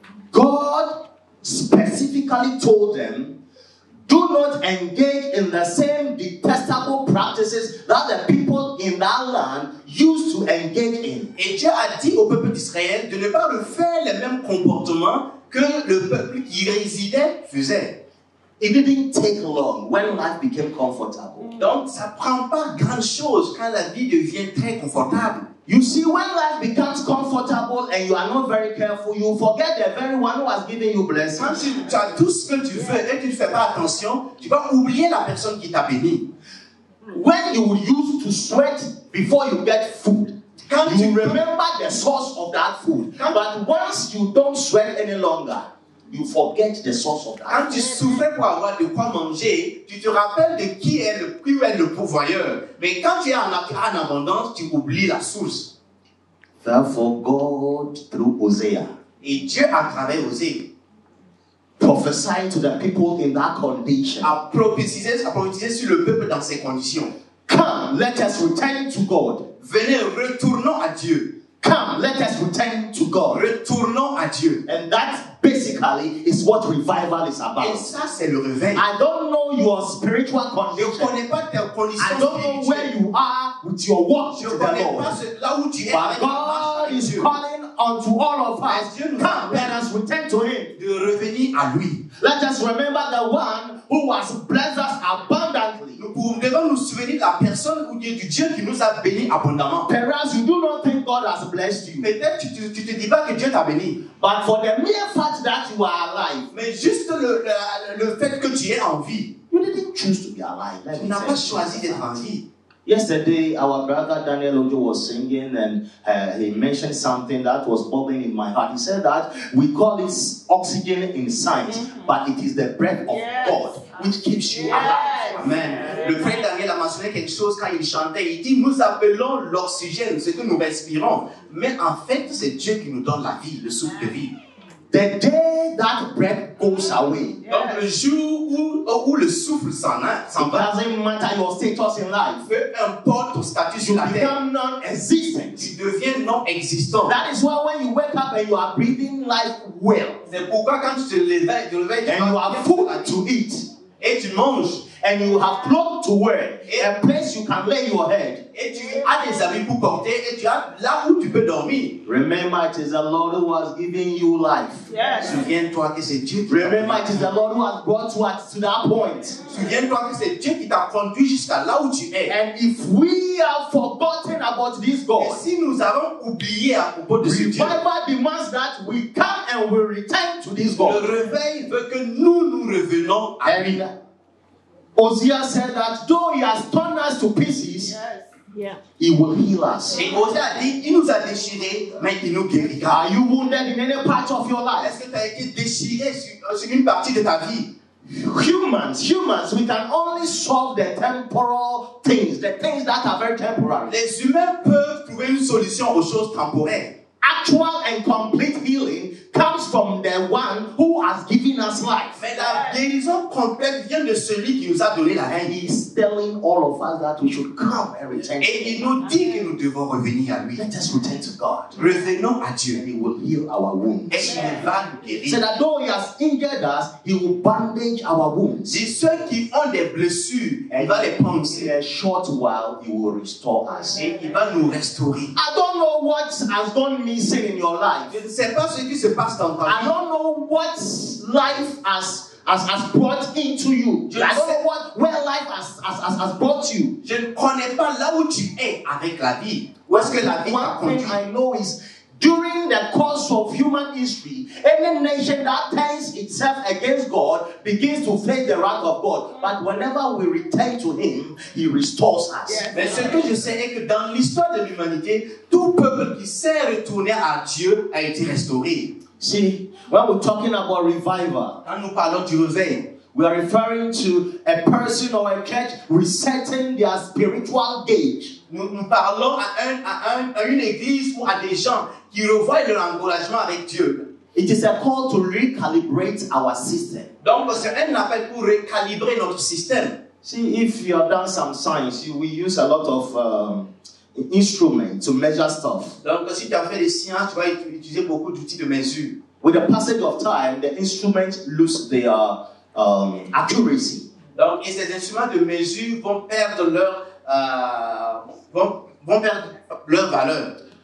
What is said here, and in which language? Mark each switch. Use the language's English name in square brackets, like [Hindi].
[English] God specifically told them, do not engage in the same detestable practices that the people in that land used to engage in. [French] Et Dieu a dit au peuple d'Israël de ne pas refaire les mêmes comportements que le peuple qui résidait faisait. [English] It didn't take long when life became comfortable. [French] Donc, ça prend pas grand chose quand la vie devient très confortable. [English] You see, when life becomes comfortable and you are not very careful, you forget the very one who has given you blessings. [French] Quand tu as tout ce que tu veux et tu ne fais pas attention, tu vas oublier la personne qui t'a béni. [English] When you used to sweat before you get food, [French] quand [English] you remember the source of that food. But once you don't sweat any longer, you forget the source of that. [French] Quand tu souffres pour avoir de quoi manger, tu te rappelles de qui est le pourvoyeur. Mais quand tu es en abondance, tu oublies la source. [English] Therefore, God through Hosea. [French] Et Dieu à travers Hosea. [English] Prophesied to the people in that condition. [French] A prophétisé sur le peuple dans ces conditions. [English] Come, let us return to God. [French] Venez, retournons à Dieu. [English] Come, let us return to God. [French] Retournons à Dieu. [English] And that basically is what revival is about. [French] Et ça, c'est le réveil. [English] I don't know your spiritual condition. [French] Je connais pas tes conditions. [English] I don't know where you are with your walk to the Lord. [French] Là où tu es, [English] but God is calling unto all of us. Come, let us return to him. [French] De revenir à lui. [English] Let us remember the one who has blessed us abundantly. [French] Nous devons nous souvenir de la personne ou du Dieu qui nous a bénis abondamment. [English] Perhaps you do not think God has blessed you. [French] Peut-être tu te dis pas que Dieu t'a béni. [English] But for the mere fact that you are alive. [French] Mais juste le fait que tu es en vie. [English] You didn't choose to be alive. [French] Tu n'as pas choisi d'être en vie. [English] Yesterday, our brother Daniel Ojo was singing and he mentioned something that was bubbling in my heart. He said that we call it oxygen in science, but it is the breath of God which keeps you alive. Amen. [French] Le frère Daniel a mentionné quelque chose quand il chantait. Il dit, nous appelons l'oxygène, ce que nous respirons. Mais en fait, c'est Dieu qui nous donne la vie, le souffle de vie. [English] The day that breath goes away. [French] Donc le jour où le souffle s'en va. [English] Doesn't matter your status in life. [French] Peu importe ton statut sur la terre. [English] You become non-existent. [French] Tu deviens non-existant. [English] That is why when you wake up and you are breathing life well. [French] C'est pourquoi quand tu te lèves, tu te [English] and you have food to eat. [French] Et tu manges. [English] And you have clothes to wear. A place you can lay your head. [French] Et tu as des habits pour porter. Et tu as là où tu peux dormir. [English] Remember, it is the Lord who has given you life. Yes. [French] Souviens-toi que c'est Dieu. [English] Remember, it is the Lord who has brought you to that point. [French] Souviens-toi que c'est Dieu qui t'a conduit jusqu'à là où tu es. [English] And if we have forgotten about this God, [French] et si nous avons oublié à propos de ce Dieu, [English] revival demands that we come and we return to this God. [French] Le réveil veut que nous revenons à lui. [English] Hosea said that though he has torn us to pieces, he will heal us. [French] Et Hosea dit, il nous a déchiré, mais il nous guérit. [English] Are you wounded in any part of your life? [French] Est-ce que tu as été déchiré sur une partie de ta vie? [English] Humans, we can only solve the temporal things, the things that are very temporary. [French] Les humains peuvent trouver une solution aux choses temporaires. [English] Actual and complete healing comes from the one who has given us life. [French] Mais la guérison complète vient de celui qui nous a donné la vie. [English] And he is telling all of us that we should come and return to Him. [French] Et il nous dit que nous devons revenir à lui. [English] Let us return to God. [French] Revenons à Dieu. [English] And he will heal our wounds. [French] Et il va nous guérir. [English] So that though he has injured us, he will bandage our wounds. [French] Et ceux qui ont des blessures, il va les panser. [English] In a short while, he will restore us. [French] Et il va nous restaurer. [English] I don't know what has gone missing in your life. [French] Je ne sais pas ce qui se passe dans ta vie. [English] I don't know what life has brought into you. I don't know where life has brought you. [French] Je ne connais pas là où tu es avec la vie. Où est-ce que la vie t'a conduit? [English] One thing I know is during the course of human history, any nation that turns itself against God begins to face the wrath of God. But whenever we return to Him, He restores us. [French] Mais ce que je sais est que dans l'histoire de l'humanité, tout peuple qui s'est retourné à Dieu a été restauré. [English] See, when we're talking about revival, [French] quand nous parlons du réveil, [English] we are referring to a person or a church resetting their spiritual gauge. [French] Nous parlons à une église ou à des gens qui revoient leur engagement avec Dieu. [English] It is a call to recalibrate our system. [French] Donc c'est un appel pour recalibrer notre système. [English] See, if you have done some science, we use a lot of instruments to measure stuff. [French] Donc si tu as fait des sciences, tu vas utiliser beaucoup d'outils de mesure. [English] With the passage of time, the instruments lose their accuracy. [French] Donc, et ces instruments de mesure vont perdre leur valeur.